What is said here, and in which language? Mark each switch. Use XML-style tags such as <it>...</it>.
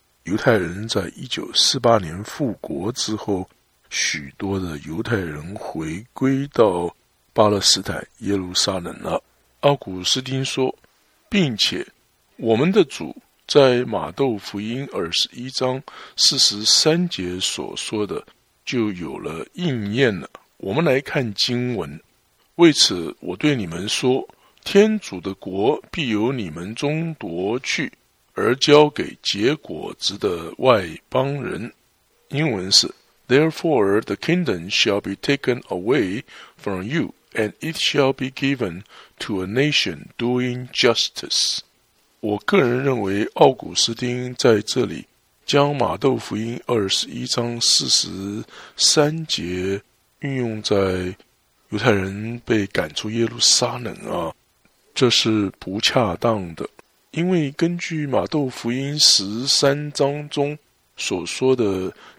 <zh>犹太人在1948年复国之后，许多的犹太人回归到巴勒斯坦耶路撒冷了。奥古斯丁说，并且我们的主在马窦福音21章43节所说的就有了应验了。我们来看经文，为此我对你们说，天主的国必由你们中夺去，而交给结果子的外邦人。英文是</zh> <en>Therefore the kingdom shall be taken away from you, and it shall be given to a nation doing justice.</en> <zh>我个人认为奥古斯丁在这里将马窦福音21章43节运用在犹太人被赶出耶路撒冷啊，这是不恰当的，因为根据马窦福音13章中所说的</zh>